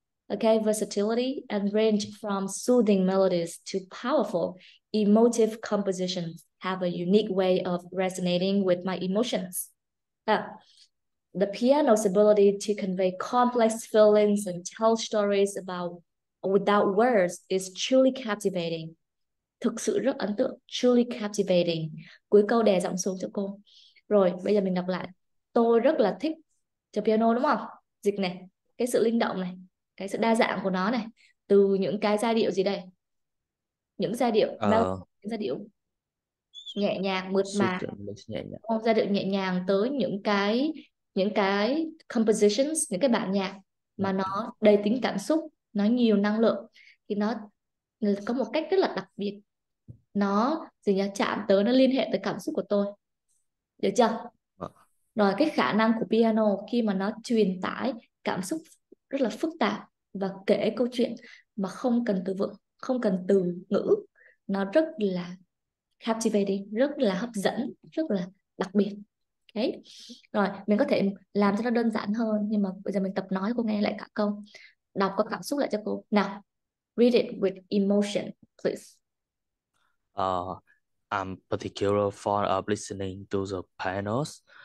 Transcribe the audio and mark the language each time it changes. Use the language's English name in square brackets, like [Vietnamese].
[English] Okay, versatility and range from soothing melodies to powerful emotive compositions have a unique way of resonating with my emotions. The piano's ability to convey complex feelings and tell stories about without words is truly captivating. [Vietnamese] Thực sự rất ấn tượng, [English] truly captivating. [Vietnamese] Cuối câu đè giọng xuống cho cô. Rồi, bây giờ mình đọc lại. Tôi rất là thích cho piano đúng không? Dịch này, cái sự linh động này, cái sự đa dạng của nó này, từ những cái giai điệu gì đây, những giai điệu melody, những giai điệu nhẹ nhàng mượt mà, không, giai điệu nhẹ nhàng, tới những cái compositions, những cái bản nhạc mà nó đầy tính cảm xúc, nó nhiều năng lượng, thì nó có một cách rất là đặc biệt, nó gì nhỉ, chạm tới, nó liên hệ tới cảm xúc của tôi, được chưa? Rồi, cái khả năng của piano khi mà nó truyền tải cảm xúc rất là phức tạp và kể câu chuyện mà không cần từ vựng, không cần từ ngữ, nó rất là captivating, rất là hấp dẫn, rất là đặc biệt. Okay. Rồi, mình có thể làm cho nó đơn giản hơn, nhưng mà bây giờ mình tập nói cô nghe lại cả câu, đọc có cảm xúc lại cho cô. [English] Nào, read it with emotion, please. I'm particularly fond of listening to the pianos.